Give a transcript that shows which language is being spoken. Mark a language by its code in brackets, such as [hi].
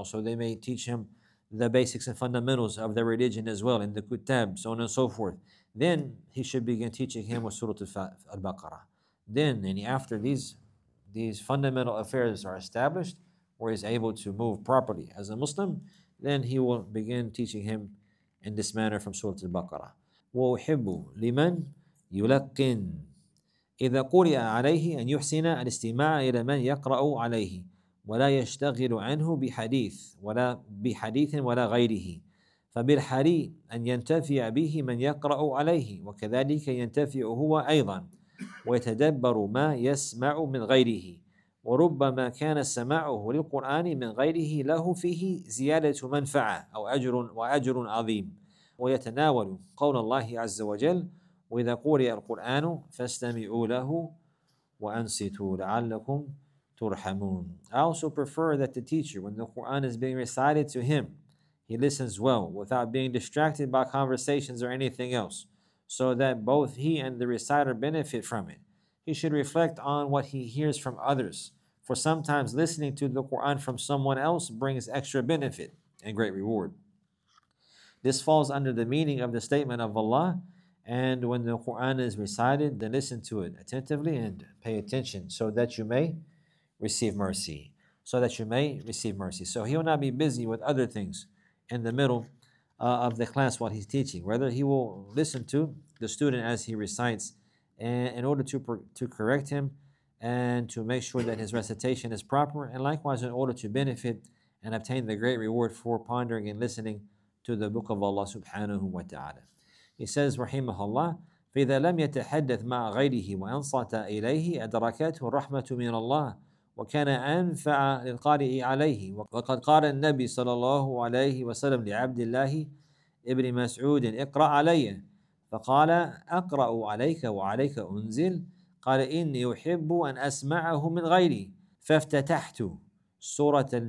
[en] Also, they may teach him the basics and fundamentals of their religion as well in the Kutam, so on and so forth. Then he should begin teaching him with Surah Al-Baqarah. Then, and after these fundamental affairs are established, where he's able to move properly as a Muslim, then he will begin teaching him in this manner from Surah Al-Baqarah. [ar] وَأُحِبُّ لِمَنْ يُلَقِّنْ إِذَا قُرِئَ عَلَيْهِ أَنْ يُحْسِنَ الْإِسْتِمَاعَ إِلَى مَنْ يَقْرَأُ عَلَيْهِ وَلَا يَشْتَغِلُ عَنْهُ بِحَدِيثٍ وَلَا غَيْرِهِ فَبِالْحَرِي أَنْ يَنْتَفِعَ بِهِ مَنْ يَقْرَأُ عَلَيْهِ وَكَذَلِكَ يَنْتَفِعُ هُوَ أَيْضًا وَيَتَدَبَّرُ مَا يَسْمَعُ مِنْ غَيْرِهِ وَرُبَّمَا كَانَ سَمَعُهُ لِلْقُرْآنِ مِنْ غَيْرِهِ لَهُ فِيهِ زِيَادَةُ مَنْفَعَةٍ أَوْ أَجْرٌ وَأَجْرٌ عَظِيمٌ وَيَتَنَاوَلُ قَوْلَ اللَّهِ عَزَّ وَجَلَّ وَإِذَا قُرِئَ الْقُرْآنُ فَاسْتَمِعُوا لَهُ وَأَنصِتُوا لَعَلَّكُمْ تُرْحَمُونَ. [en] I also prefer that the teacher, when the Quran is being recited to him, he listens well without being distracted by conversations or anything else, so that both he and the reciter benefit from it. He should reflect on what he hears from others, for sometimes listening to the Quran from someone else brings extra benefit and great reward. This falls under the meaning of the statement of Allah, and when the Quran is recited, then listen to it attentively and pay attention so that you may receive mercy. So that you may receive mercy. So he will not be busy with other things in the middle of the class while he's teaching. Rather, he will listen to the student as he recites, and in order to correct him and to make sure that his recitation is proper, and likewise in order to benefit and obtain the great reward for pondering and listening to the book of Allah subhanahu wa ta'ala. He says, rahimahullah, [ar] فَإِذَا لَمْ يَتَحَدَّثْ مَعَ غَيْرِهِ وَأَنصَتَ إِلَيْهِ أَدْرَكَتْهُ الرَّحْمَةُ مِنَ اللَّهِ وَكَانَ أَنْفَعَ لِلْقَارِئِ عَلَيْهِ وَقَدْ قَالَ النَّبِيُّ صَلَى اللَّهُ عَلَيْهِ وَسَلَّمَ لِعَبْدِ اللَّهِ إِبْنِ مَسْعُودٍ اقْرَأْ عَلَيَّ فقال أقرأ عليك وعليك أنزل قال إني أحب أن أسمعه من غيري فافتتحت سورة